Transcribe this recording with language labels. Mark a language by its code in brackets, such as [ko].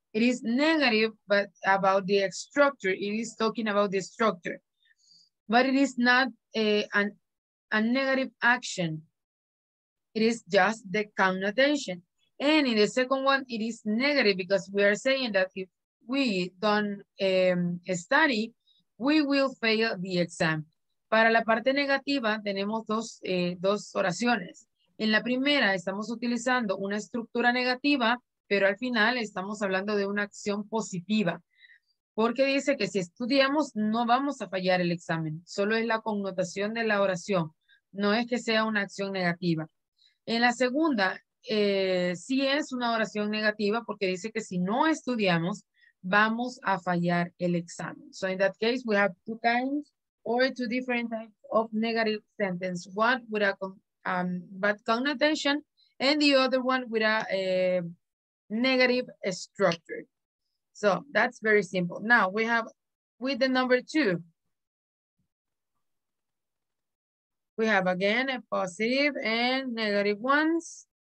[en] It is negative, but about the structure. It is talking about the structure, but it is not a negative action. It is just the connotation. And in the second one, it is negative because we are saying that if we don't study, we will fail the exam. [es] Para la parte negativa, tenemos dos oraciones. En la primera estamos utilizando una estructura negativa, pero al final estamos hablando de una acción positiva, porque dice que si estudiamos no vamos a fallar el examen, solo es la connotación de la oración, no es que sea una acción negativa. En la segunda, sí es una oración negativa porque dice que si no estudiamos vamos a fallar el examen. [en] So in that case, we have two kinds or two different types of negative sentence. One with a bad connotation, and the other one with a negative structure. So that's very simple. Now we have with the number two, we have again a positive and negative ones.